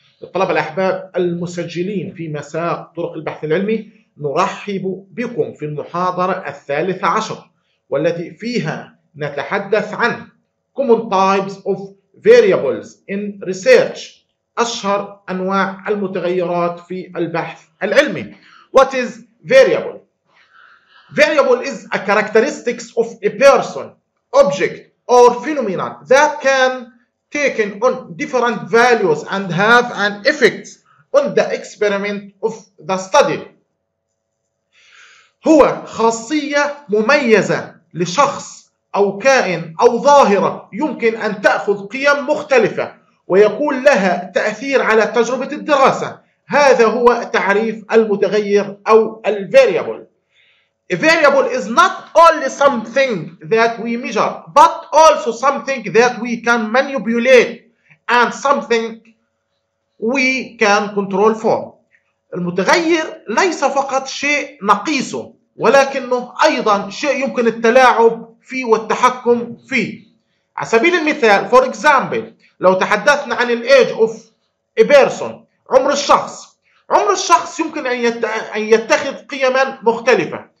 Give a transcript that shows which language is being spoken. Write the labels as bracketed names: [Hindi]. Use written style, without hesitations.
[Arabic] الطلبة الأحباب المسجلين في مساق طرق البحث العلمي، نرحب بكم في المحاضرة 13 والتي فيها نتحدث عن [English] Common Types of Variables in Research، [Arabic] أشهر أنواع المتغيرات في البحث العلمي. [English] What is variable? Variable is a characteristics of a person, object or phenomena that can taken on different values and have an effect on the experiment of the study. [Arabic] هو خاصية مميزة لشخص أو كائن أو ظاهرة يمكن أن تأخذ قيم مختلفة ويكون لها تأثير على تجربة الدراسة. هذا هو تعريف المتغير أو الـ variable. [English] A variable is not only something that we measure, but also something that we can manipulate and something we can control for. [Arabic] المتغير ليس فقط شيء نقيسه، ولكنه أيضا شيء يمكن التلاعب فيه والتحكم فيه. على سبيل المثال، [English] for example، [Arabic] لو تحدثنا عن [English] the age of a person، [Arabic] عمر الشخص. عمر الشخص يمكن أن يتخذ قيما مختلفة.